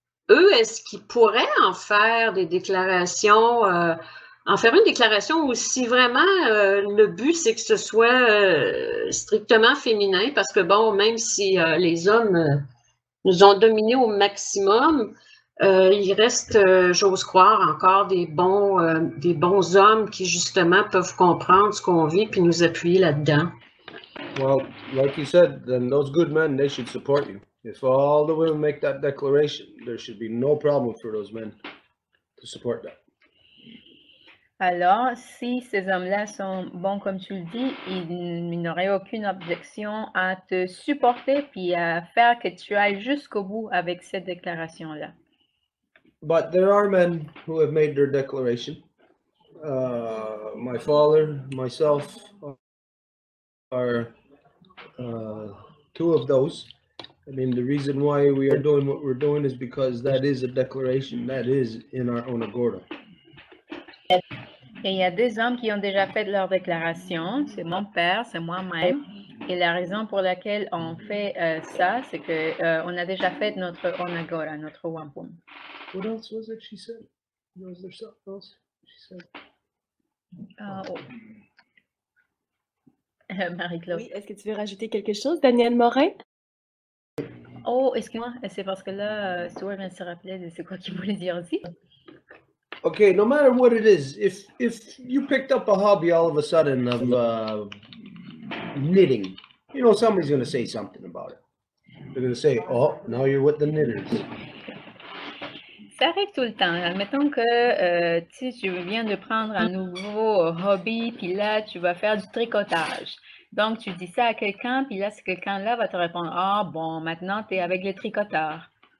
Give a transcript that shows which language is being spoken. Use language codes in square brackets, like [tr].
[fr] eux, est-ce qu'ils pourraient en faire des déclarations, en faire une déclaration aussi vraiment le but, c'est que ce soit strictement féminin, parce que bon, même si les hommes nous ont dominés au maximum, il reste, j'ose croire, encore des bons hommes qui justement peuvent comprendre ce qu'on vit puis nous appuyer là-dedans. [en] Well, like you said, then those good men, they should support you. If all the women make that declaration, there should be no problem for those men to support that. [fr] Alors, si ces hommes-là sont bons comme tu le dis, ils n'auraient aucune objection à te supporter puis à faire que tu ailles jusqu'au bout avec cette déclaration-là. [en] But there are men who have made their declaration. My father, myself, are two of those. I mean, the reason why we are doing what we're doing is because that is a declaration that is in our own agora. [fr] Et il y a des hommes qui ont déjà fait leur déclaration, c'est mon père, c'est moi-même. Et la raison pour laquelle on fait ça, c'est que on a déjà fait notre own agora, notre wampum. [en] What else was it she said? Was there something else she said? Marie-Claude. [fr] Oui, est-ce que tu veux rajouter quelque chose, Daniel Morin? Oh, excuse-moi, c'est parce que là, Stuart vient de se rappeler de ce qu'il voulait dire aussi. [en] Okay, no matter what it is, if you picked up a hobby all of a sudden of knitting, you know, somebody's going to say something about it. They're going to say, oh, now you're with the knitters. [fr] Ça arrive tout le temps. Admettons que tu viens de prendre un nouveau hobby, puis là, tu vas faire du tricotage. Donc, tu dis ça à quelqu'un, puis là, ce quelqu'un-là va te répondre, ah, oh, bon, maintenant, tu es avec les tricoteurs.